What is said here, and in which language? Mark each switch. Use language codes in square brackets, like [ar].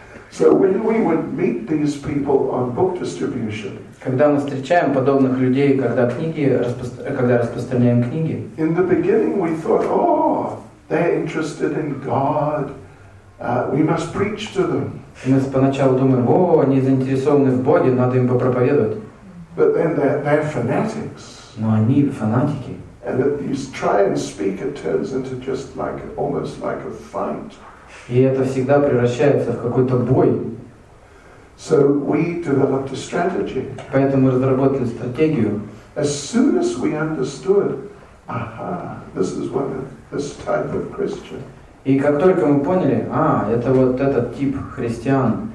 [en] So when we would meet these people on book distribution, [ru] когда мы встречаем подобных людей, когда книги когда распространяем книги, [en] in the beginning we thought, oh, they're interested in God. We must preach to them. [ru] Мы поначалу думаем, о, они заинтересованы в Боге, надо им попроповедовать. [en] But then they're fanatics. [ru] Но они фанатики. [en] And if you try and speak, it turns into just like almost like a fight. [ru] И это всегда превращается в какой-то бой. [en] So we developed a strategy. [ru] Поэтому мы разработали стратегию. [en] As soon as we understood, aha, this is what this type of Christian. [ru] И как только мы поняли, а, это вот этот тип христиан.